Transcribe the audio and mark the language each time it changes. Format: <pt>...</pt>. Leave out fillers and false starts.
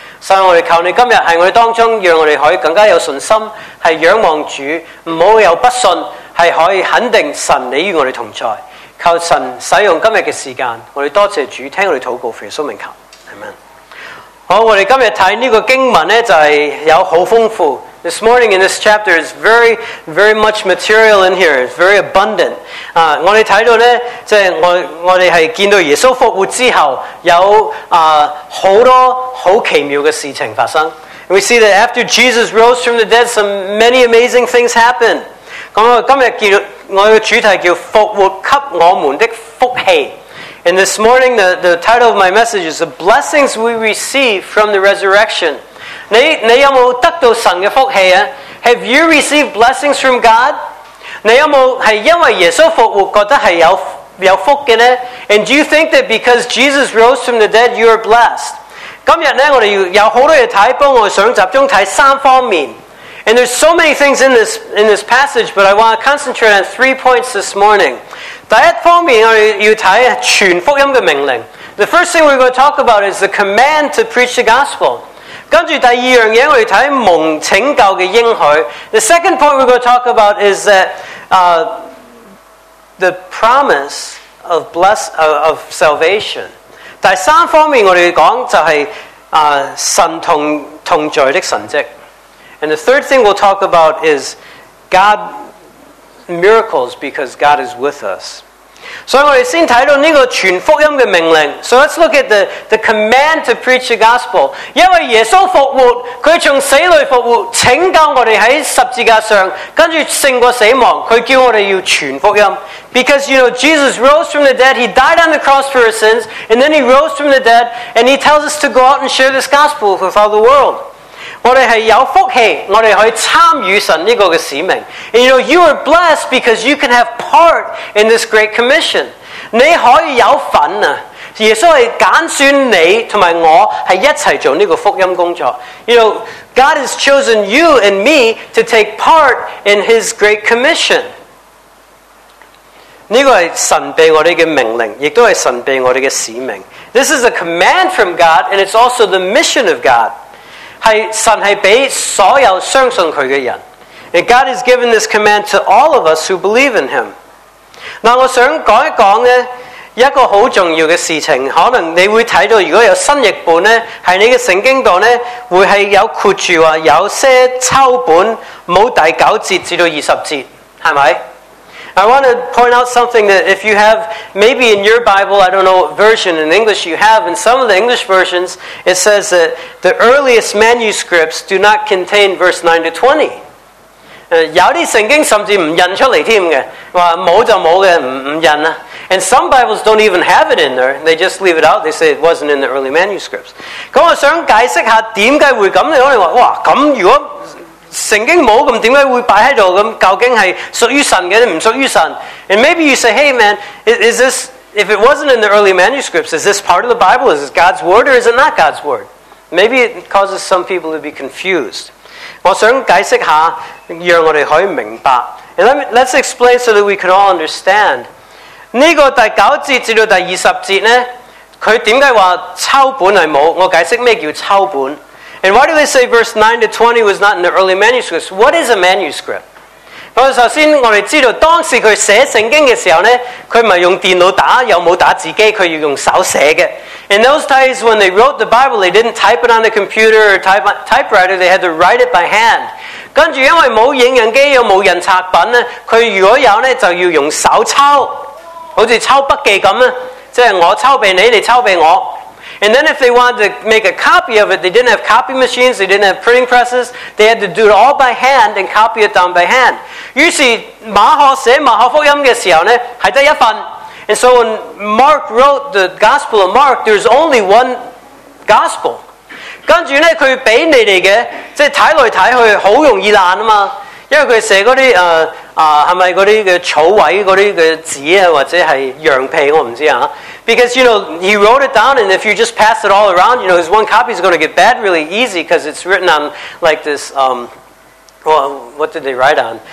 <zh>所以我们求你今天在我们当中，让我们可以更加有信心，是仰望主，不要有不信，是可以肯定神你与我们同在。求神使用今天的时间，我们多谢主，听我们祷告，奉耶稣名求。</zh> <en>Amen。</en> <zh>好，我们今天看这个经文呢，就是有很丰富。</zh> <en>This morning in this chapter is very, very much material in here. It's very abundant.</en> <zh>我们看到呢，就是我们是见到耶稣复活之后，有很多很奇妙的事情发生。</zh> <en>And we see that after Jesus rose from the dead, some many amazing things happen.</en> <zh>我们主题叫复活给我们的福气。</zh> <en>And this morning, the title of my message is The Blessings We Receive from the Resurrection.</en> <zh>你有没有得到神的福气啊？</zh> <en>Have you received blessings from God?</en> <zh>你有没有是因为耶稣复活觉得是有福的呢？</zh> <en>And do you think that because Jesus rose from the dead, you are blessed?</en> <zh>今天呢，我们有很多的题目，我想集中看三方面。</zh> <en>And there's so many things in this passage, but I want to concentrate on three points this morning.</en> <zh>第一方面，我们要看传福音的命令。</zh> <en>The first thing we're going to talk about is the command to preach the gospel.</en> <zh>跟住第二样嘢，我们看蒙拯救的应许。</zh> <en>The second point we're going to talk about is that the promise of of salvation.</en> <zh>第三方面，我们讲就是神同在的神迹。</zh> <en>And the third thing we'll talk about is God. Miracles because God is with us. So, we're going to see the title. So, let's look at the command to preach the gospel. Because Jesus rose from the dead, he died on the cross for our sins, and then he rose from the dead, and he tells us to go out and share this gospel with all the world.</en> <zh>我们是有福气，我们可以参与神这个使命。</zh> <en>And you know, you are blessed because you can have part in this great commission.</en> <zh>你可以有份啊！耶稣是拣选你同埋我是一起做这个福音工作。</zh> <en>You know, God has chosen you and me to take part in His great commission.</en> <zh>这个是神给我们的命令，亦都是神给我们的使命。</zh> <en>This is a command from God, and it's also the mission of God.</en> <zh>神系俾所有相信佢嘅人。</zh> <en>And God has given this command to all of us who believe in Him.</en> <zh>嗱，我想讲一讲咧一个好重要嘅事情，可能你会睇到，如果有新译本咧，喺你嘅圣经度咧，会系有括住话有些抄本冇第九节至到二十节，系咪？</zh> <en>I want to point out something that if you have, maybe in your Bible, I don't know what version in English you have, in some of the English versions, it says that the earliest manuscripts do not contain verse 9 to 20.</en> <zh>有些圣经甚至不印出来添的，说没就没的，不印啊。</zh> <en>And some Bibles don't even have it in there. They just leave it out. They say it wasn't in the early manuscripts.</en> <zh>那我想解释一下为什么会这样，你说哇，这样如果圣经冇咁，点解会摆喺度咁？究竟系属于神嘅定唔属于神</zh> <en>？And maybe you say, "Hey man, is this if it wasn't in the early manuscripts? Is this part of the Bible? Is it God's word or is it not God's word?" Maybe it causes some people to be confused.</en> <zh>我想解释下，让我哋可以明白。</zh> <en>And let's explain so that we can all understand.</en> <zh>呢个第九节至到第二十节咧，佢点解话抄本系冇？我解释咩叫抄本。</zh> <en>And why do they say verse 9 to 20 was not in the early manuscripts? What is a manuscript?</en> <zh>首先我们知道当时他写圣经的时候呢他不是用电脑打又没有打字机他要用手写的。</zh> <en>In those days when they wrote the Bible, they didn't type it on the computer or typewriter, they had to write it by hand.</en> <zh>跟着因为没有影印机又没有印刷品他如果有呢就要用手抄。好像抄笔记那样就是我抄给你你抄给我。</zh> <en>And then if they wanted to make a copy of it, they didn't have copy machines, they didn't have printing presses, they had to do it all by hand and copy it down by hand.</en> <zh>於是馬可寫馬可福音的時候呢是只有一份。</zh> <en>And so when Mark wrote the Gospel of Mark, there's only one Gospel.</en> <zh>跟住呢他給你們的即是看來看去很容易爛嘛。因為他寫那些是不是那些草位那些紙或者是羊皮我不知道。</zh> <en>Because, you know, he wrote it down, and if you just pass it all around, you know, his one copy is going to get bad really easy because it's written on, like, this, what did they write on?</en>